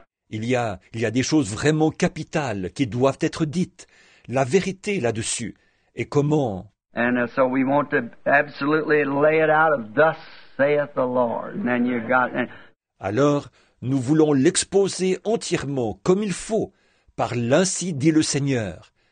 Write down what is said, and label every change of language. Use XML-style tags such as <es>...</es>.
<fr>Il y a des choses vraiment capitales qui doivent être dites. La vérité là-dessus. Et comment?</fr> <en>And so we want to absolutely lay it out of thus saith the Lord. And you got. And...</en> <fr>Alors, nous voulons l'exposer entièrement comme il faut, par l'ainsi dit le Seigneur.</fr>